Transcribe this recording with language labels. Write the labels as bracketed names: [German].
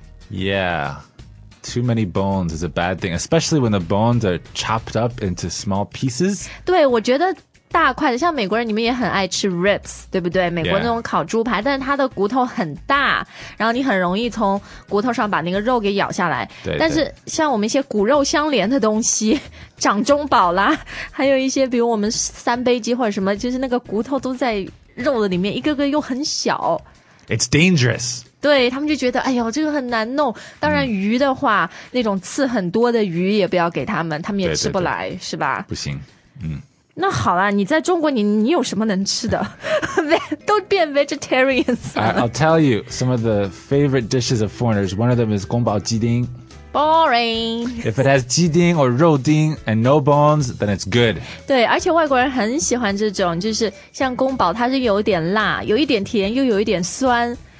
[English] Yeah Too many bones is a bad thing Especially when the bones are chopped up into small pieces [Chinese] 对我觉得大块的像美国人你们也很爱吃 ribs 对不对美国那种烤猪排、 [English] yeah. [Chinese] 但是它的骨头很大然后你很容易从骨头上把那个肉给咬下来对对但是像我们一些骨肉相连的东西掌中宝啦还有一些比如我们三杯鸡或者什么就是那个骨头都在肉的里面一个个又很小 [English] It's dangerous [Chinese] 对他们就觉得哎呦这个很难弄当然鱼的话、那种刺很多的鱼也不要给他们他们也吃不来对对对是吧不行那好啦你在中国你有什么能吃的都变 vegetarians [English] I'll tell you some of the favorite dishes of foreigners one of them is 宫保鸡丁 boring if it has 鸡丁 or 肉丁 and no bones then it's good [Chinese] 对而且外国人很喜欢这种就是像宫保它是有点辣有一点甜又有一点酸